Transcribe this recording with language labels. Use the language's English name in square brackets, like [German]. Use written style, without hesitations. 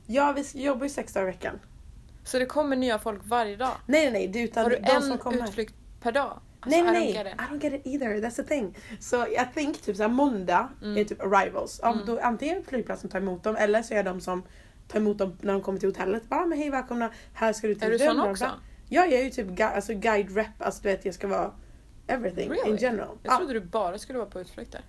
[Swedish] Ja, vi jobbar ju 6 dagar i veckan. Så det kommer nya folk varje dag? Nej, det är utan har du en som kommer. Utflykt per dag? Alltså, nej, [English] I don't get it either, that's the thing. So I think [Swedish] typ såhär måndag är typ arrivals. Då antingen flygplatsen tar emot dem, eller så är de som tar emot dem när de kommer till hotellet. Bara, men hej, välkomna, här ska du till. Är du sån också? Ja, jag är ju typ alltså guide rep, alltså du vet, jag ska vara [English] everything, really? In general. [Swedish] Jag trodde du bara skulle vara på utflykter.